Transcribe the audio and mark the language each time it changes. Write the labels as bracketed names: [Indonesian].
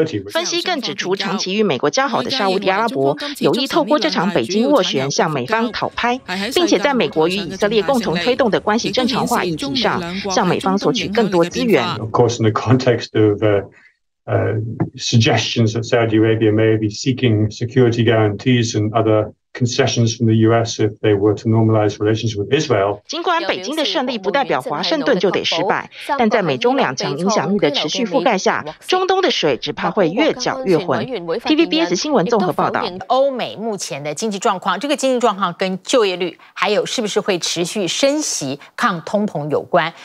[Chinese] 分析更指出，长期与美国交好的沙烏地阿拉伯有意透过这场北京斡旋向美方讨拍，并且在美国与以色列共同推动的关系正常化议题上向美方索取更多资源。 [English] Of course, in the context of suggestions that Saudi Arabia may be seeking security guarantees and other concessions from the U.S. if they were to normalize relations with Israel. [Chinese] 尽管北京的胜利不代表华盛顿就得失败，但在美中两强影响力的持续覆盖下，中东的水只怕会越搅越浑。 TVBS 新闻综合报道。欧美目前的经济状况，这个经济状况跟就业率还有是不是会持续升息抗通膨有关。